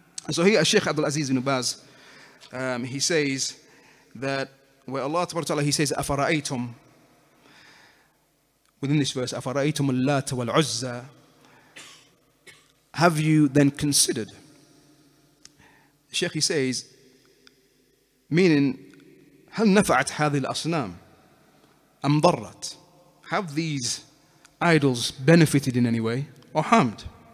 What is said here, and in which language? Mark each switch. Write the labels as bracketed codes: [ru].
[en] So here, Shaykh Abdul Aziz ibn Baaz, he says that where Allah Tabaraka Ta'ala, he says, Afara'aytum, within this verse, Afara'aytum Al-Lat wal-Uzza, have you then considered? Shaykh, he says, meaning, [ar] هل نفعت هذه الأصنام أم ضرت? [en] Have these idols benefited in any way or harmed?